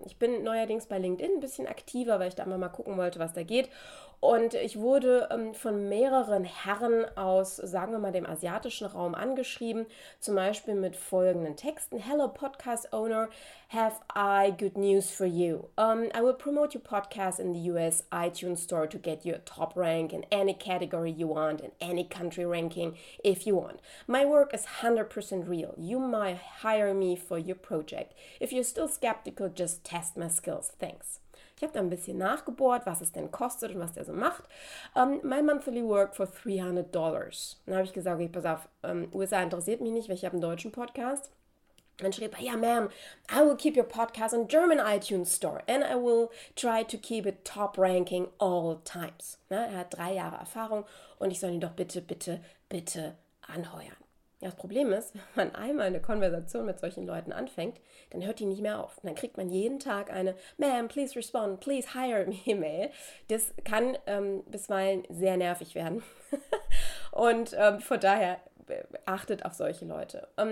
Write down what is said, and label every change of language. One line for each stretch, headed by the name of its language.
German: Ich bin neuerdings bei LinkedIn ein bisschen aktiver, weil ich da immer mal gucken wollte, was da geht. Und ich wurde von mehreren Herren aus, sagen wir mal, dem asiatischen Raum angeschrieben, zum Beispiel mit folgenden Texten:
English: Hello Podcast Owner, have I good news for you. I will promote your podcast in the US iTunes Store to get your top rank in any category you want, in any country ranking if you want. My work is 100% real. You might hire me for your project. If you're still skeptical, just test my skills. Thanks.
German: Ich habe da ein bisschen nachgebohrt, was es denn kostet und was der so macht.
English: My monthly work for $300.
German: Dann habe ich gesagt, okay, pass auf, USA interessiert mich nicht, weil ich habe einen deutschen Podcast. Dann schrieb er, ja,
English: ma'am, I will keep your podcast on German iTunes Store and I will try to keep it top ranking all times.
German: Na, er hat 3 Jahre Erfahrung und ich soll ihn doch bitte, bitte, bitte anheuern. Ja, das Problem ist, wenn man einmal eine Konversation mit solchen Leuten anfängt, dann hört die nicht mehr auf. Und dann kriegt man jeden Tag eine
English: Ma'am, please respond, please hire me
German: Mail. Das kann bisweilen sehr nervig werden. Und von daher, achtet auf solche Leute.